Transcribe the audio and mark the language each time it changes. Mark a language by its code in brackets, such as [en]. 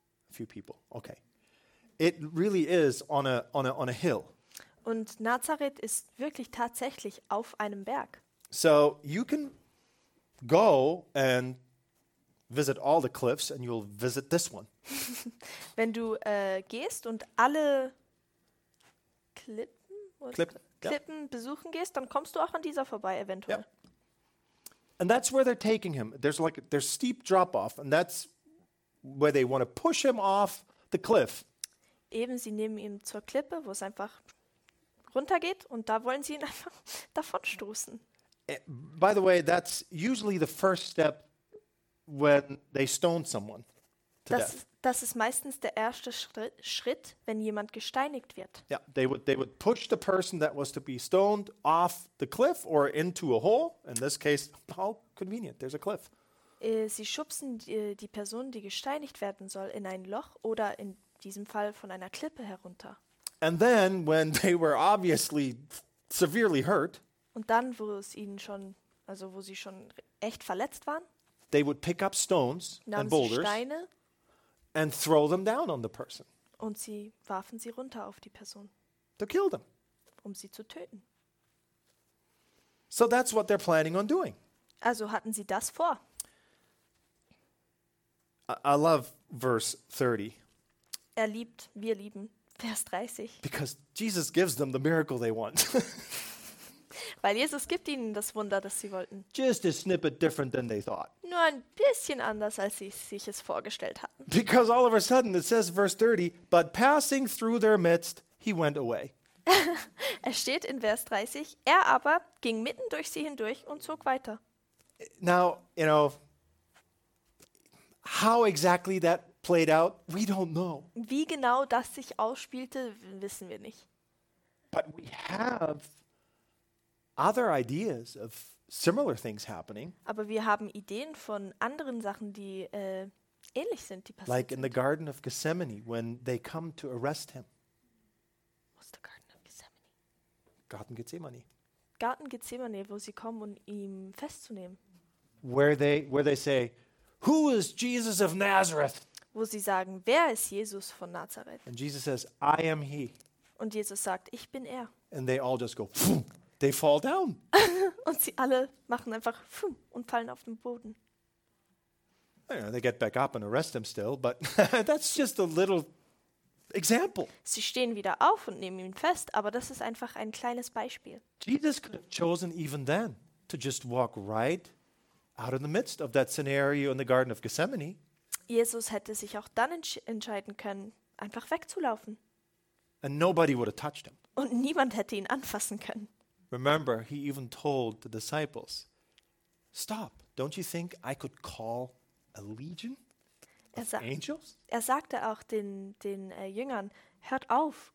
[en] A few people. Okay. It really is on a hill. [de] Und Nazareth ist wirklich tatsächlich auf einem Berg. [en] So you can go and visit all the cliffs and you'll visit this one. [de] Wenn du gehst und alle Klippen besuchen gehst, dann kommst du auch an dieser vorbei eventuell. [en] Yep. And that's where they're taking him. There's steep drop off and that's where they want to push him off the cliff. [de] Eben, sie nehmen ihn zur Klippe, wo es einfach runtergeht und da wollen sie ihn einfach davonstoßen. [en] By the way, that's usually the first step when they stone someone to death. [de] Das ist meistens der erste Schritt, wenn jemand gesteinigt wird. [en] Yeah, they would push the person that was to be stoned off the cliff or into a hole. In this case, how convenient, there's a cliff. [de] Sie schubsen die Person, die gesteinigt werden soll, in ein Loch oder in diesem Fall von einer Klippe herunter. [en] And then, when they were obviously severely hurt, [de] und dann, wo es ihnen schon, also wo sie schon echt verletzt waren, [en] they would pick up stones and boulders, [de] Steine, [en] and throw them down on the person. [de] Und sie warfen sie runter auf die Person. [en] To kill them. [de] Um sie zu töten. [en] So that's what they're planning on doing. [de] Also hatten sie das vor. [en] I love verse 30. [de] Er liebt, wir lieben Vers 30. [en] Because Jesus gives them the miracle they want. [de] Weil Jesus gibt ihnen das Wunder, das sie wollten. [en] Just a snippet different than they thought. [de] Nur ein bisschen anders, als sie sich es vorgestellt hatten. [en] Because all of a sudden, it says verse 30, but passing through their midst, he went away. [de] Es steht in Vers 30, er aber ging mitten durch sie hindurch und zog weiter. [en] Now, you know, how exactly that played out, we don't know. [de] Wie genau das sich ausspielte, wissen wir nicht. [en] But we have other ideas of similar things happening. [de] Aber wir haben Ideen von anderen Sachen, die ähnlich sind, die passiert. [en] Like in the Garden of Gethsemane, when they come to arrest him. What's the Garden of Gethsemane? [de] Garten Gethsemane. Garten Gethsemane, wo sie kommen, um ihn festzunehmen. [en] Where they say, "Who is Jesus of Nazareth?" [de] Wo sie sagen, wer ist Jesus von Nazareth? [en] And Jesus says, "I am he." [de] Und Jesus sagt, ich bin er. [en] And they all just go, phew. They fall down. [de] Und sie alle machen einfach pfum und fallen auf den Boden. [en] Yeah, they get back up and arrest him still, but that's just a little example. [de] Sie stehen wieder auf und nehmen ihn fest, aber das ist einfach ein kleines Beispiel. [en] Jesus could have chosen even then to just walk right out of the midst of that scenario in the Garden of Gethsemane. [de] Jesus hätte sich auch dann entscheiden können, einfach wegzulaufen. [en] And nobody would have touched him. [de] Und niemand hätte ihn anfassen können. [en] Remember, he even told the disciples, "Stop! Don't you think I could call a legion of angels?" [de] Er sagte auch den Jüngern, "Hört auf!